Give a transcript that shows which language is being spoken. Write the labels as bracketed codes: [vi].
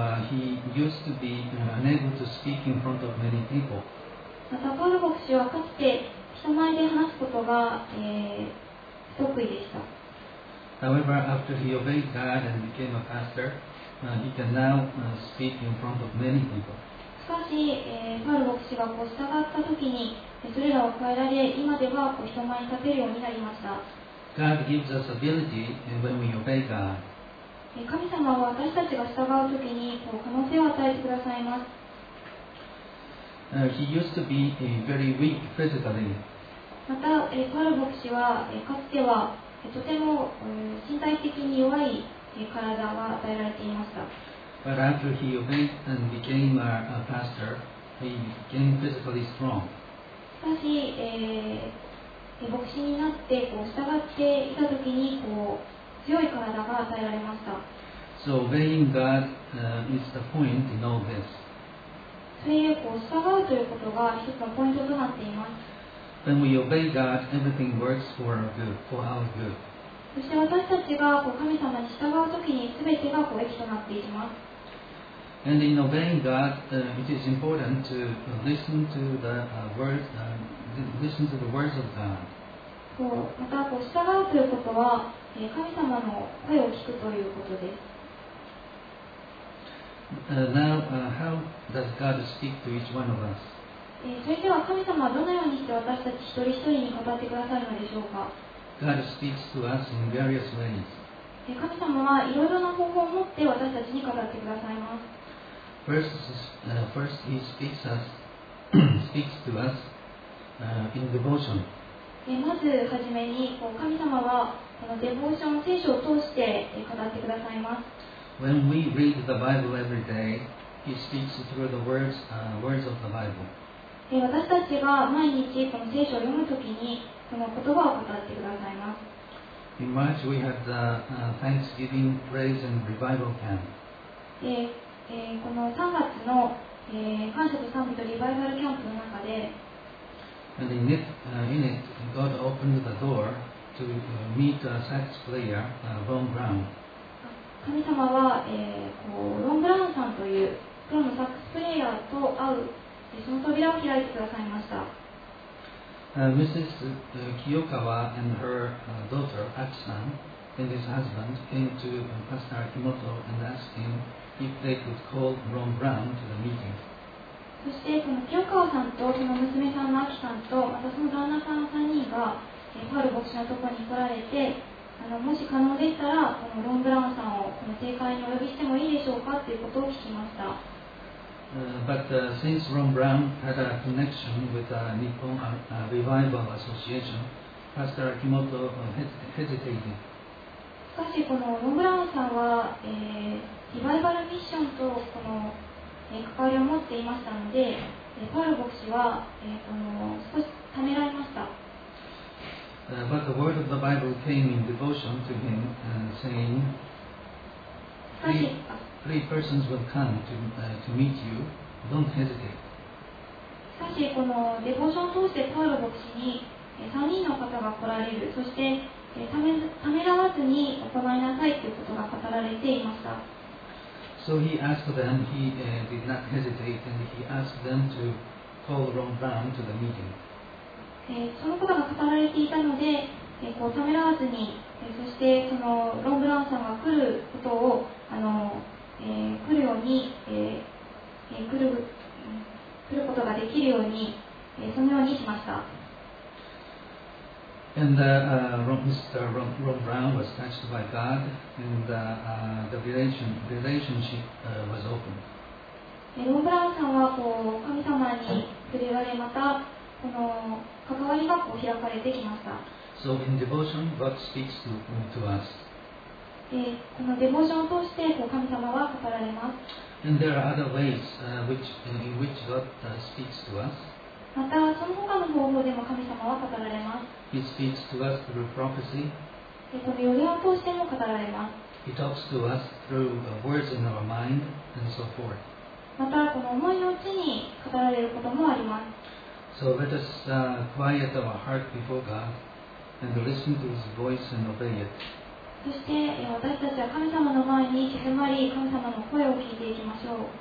[en] He used to be unable to speak in front of many people. [ja] またパウロ牧師はかつて人前で話すことが、不得意でした。 [en] However, after he obeyed God and became a pastor, he can now speak in front of many people. [ja] しかし、パウロ牧師がこう従った時にそれらを変えられ、今ではこう人前に立てるようになりました。 [en] God gives us ability when we obey God. [ja] 神様は私たちが従う時にこう可能性を与えてくださいます。 [en] He used to be very weak physically. [ja] また、パウロ牧師は、かつては、とても、身体的に弱い、体が与えられていました。 [en] But after he obeyed and became a pastor, he became physically strong. [ja] しかし、牧師になってこう従っていたときにこう強い体が与えられました。 [en] So obeying God, is the point in all this. [ja] それでこう従うということが一つのポイントとなっています。 [en] When we obey God, everything works for our good, for our good. [ja] そして私たちがこう神様に従うときに全てがこう益となっていきます。 [en] And in obeying God, it is important to listen to the words, listen to the words of God. [ja] こうまたこう従うということは、神様の声を聞くということです。 [en] How does God speak to each one of us? [ja] それでは神様はどのようにして私たち一人一人に語ってくださるのでしょうか。 [en] God speaks to us in various ways. [ja] 神様はいろいろな方法を持って私たちに語ってくださいます。 [en] First, He speaks, speaks to us in devotion. [ja] まずはじめに神様はこのデボーション、聖書を通して語ってくださいます。 [en] When we read the Bible every day, He speaks through the words, words of the Bible. [ja] 私たちが毎日この聖書を読むときにその言葉を語ってくださいます。 [en] In March, we have the Thanksgiving Praise and Revival Camp. [ja] この3月の、感謝と賛美とリバイバルキャンプの中で、 [en] And in it, God opened the door to meet a sax player, Ron Brown. [ja] 神様は、ロン・ブラウンさんというプロのサックスプレイヤーと会う、その扉を開いてくださいました。 [en] Mrs. Kiyokawa and her daughter, Aki-san, and his husband came to Pastor Akimoto and asked him if they could call Ron Brown to the meeting. [ja] そしてこの Kiyokawa さんとその娘さんの Aki さんと、またその旦那さんの3人が、パウロ牧師のところに来られて、もし可能でしたら、このロン・ブラウンさんをこの正解にお呼びしてもいいでしょうかということを聞きました。 [en] But since Ron Brown had a connection with the Nippon Revival Association, Pastor Akimoto hesitated. [ja] しかし、このロン・ブラウンさんは、リバイバルミッションとこの、関わりを持っていましたので、パウロ牧師は、少しためらいました。 [en] But the word of the Bible came in devotion to him, saying, three persons will come to meet you. Don't hesitate. [ja] しかし、このデボーションを通してパウロ牧師に3人の方が来られる。そして、ためらわずに行いなさいということが語られていました。 [en] So he asked them, he did not hesitate, and he asked them to call Ron Brown to the meeting. [ja] そのことが語られていたので、こうためらわずに、そしてそのロン・ブラウンさんが来ることを、来るように、来ることができるように、そのようにしました。 [en] And Mr. Ron Brown was touched by God, and the relationship was open. [ja] ロン・ブラウンさんはこう神様に触れられ、またこの関わりが開かれてきました。 [en] So in devotion, God speaks to us. [ja] このデボーションを通してこう神様は語られます。 [en] And there are other ways in which God speaks to us. [ja] またその他の方法でも神様は語られます。 [en] He speaks to us through prophecy. [ja] この予言を通しても語られます。 [en] He talks to us through the words in our mind and so forth. [ja] またこの思いのうちに語られることもあります。 [en] So let us quiet our heart before God and listen to His voice and obey it. [ja] そして私たちは神様の前に静まり、神様の声を聞いていきましょう。